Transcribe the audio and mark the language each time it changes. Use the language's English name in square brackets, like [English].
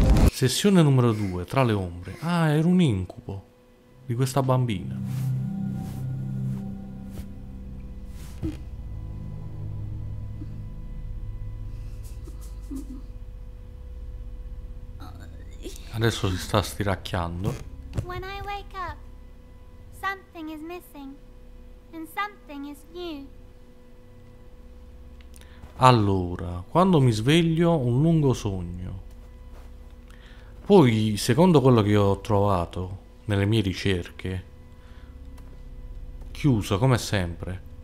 [Italian] Sessione numero 2, tra le ombre. Ah, era un incubo di questa bambina. Adesso si sta stiracchiando. [English] When I wake up, something is missing and something is new. [Italian] Allora, quando mi sveglio, un lungo sogno. Poi, secondo quello che ho trovato nelle mie ricerche, chiuso come sempre.